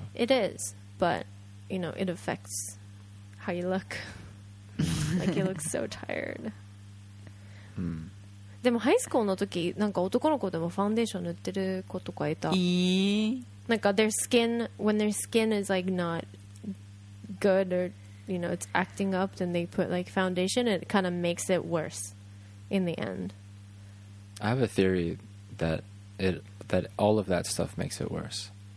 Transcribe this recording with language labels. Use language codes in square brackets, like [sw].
[en] It is, but you know it affects how you look. like you look so tired. [ja] でもハイスクールの時なんか男の子でもファンデーション塗ってる子とかいた。 [en] Like their skin, when their skin is like not good or you know it's acting up, then they put like foundation. And it kind of makes it worse in the end. I have a theory that all of that stuff makes it worse.